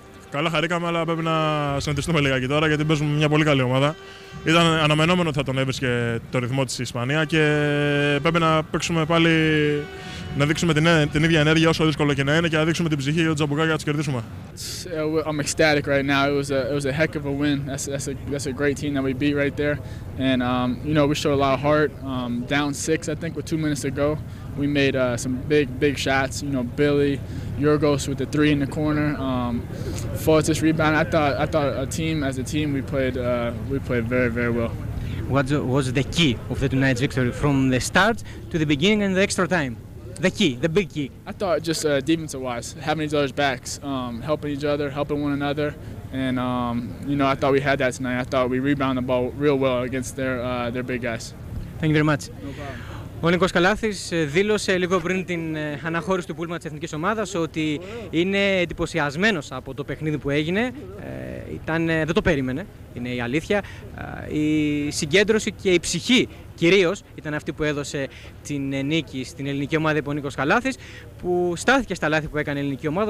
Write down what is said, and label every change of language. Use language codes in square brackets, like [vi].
[el] Καλά, χαρήκαμε, αλλά πρέπει να συνεντευτούμε λιγάκι τώρα γιατί παίζουμε μια πολύ καλή ομάδα. Ήταν αναμενόμενο ότι θα τον έβρισκε το ρυθμό της Ισπανία και πρέπει να παίξουμε πάλι, να δείξουμε την ίδια ενέργεια όσο δύσκολο και να είναι και να δείξουμε την ψυχή για τον Τζαμπουκά για να τις κερδίσουμε. [en] I'm ecstatic right now. It was a heck of a win. That's a great team that we beat right there. And you know, we showed a lot of heart. Down 6, I think, with 2 minutes to go. We made some big shots. You know, Billy, Yurgos with the three in the corner, Fortis rebound. I thought as a team we played very, very well. What was the key of the tonight's victory from the start to the beginning and the extra time? The key, the big key. I thought just defensive wise, having each other's backs, helping each other, helping one another, and you know, I thought we had that tonight. I thought we rebounded the ball real well against their big guys. Thank you very much. No problem. [el] Ο Νίκος Καλάθης δήλωσε λίγο πριν την αναχώρηση του πούλμα της Εθνικής Ομάδας ότι είναι εντυπωσιασμένος από το παιχνίδι που έγινε. ήταν, δεν το περίμενε, είναι η αλήθεια. Η συγκέντρωση και η ψυχή κυρίως ήταν αυτή που έδωσε την νίκη στην ελληνική ομάδα υπό Νίκος Καλάθης, που στάθηκε στα λάθη που έκανε η ελληνική ομάδα.